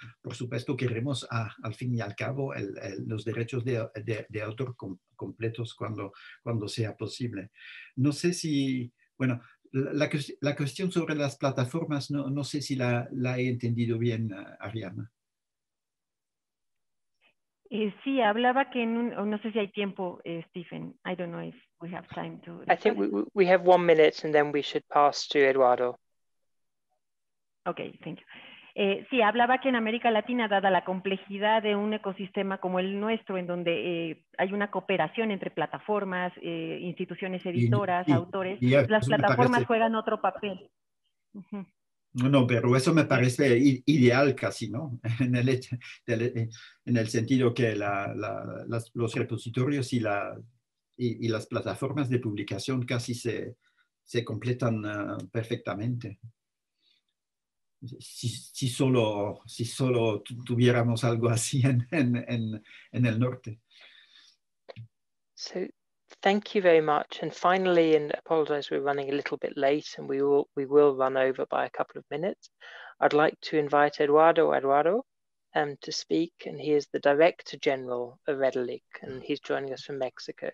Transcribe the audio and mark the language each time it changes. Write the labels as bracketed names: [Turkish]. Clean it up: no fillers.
[Spanish] Por supuesto, queremos al fin y al cabo los derechos de autor completos cuando sea posible. No sé si, bueno, la cuestión sobre las plataformas, no sé si la he entendido bien, Ariana. Sí, hablaba que no sé si hay tiempo, Stephen. [English] I don't know if we have time to. I think we have 1 minute and then we should pass to Eduardo. Okay, thank you. [Spanish] Sí, hablaba que en América Latina, dada la complejidad de un ecosistema como el nuestro, en donde hay una cooperación entre plataformas, instituciones editoras, autores, las plataformas juegan otro papel. No, pero eso me parece ideal casi, ¿no? En el sentido que los repositorios y las plataformas de publicación casi se completan perfectamente. Si solo tuviéramos algo así en el norte. [English] So, thank you very much. And finally, and apologize, we're running a little bit late and we will run over by a couple of minutes. I'd like to invite Eduardo to speak, and he is the Director General of Red LAC, and he's joining us from Mexico.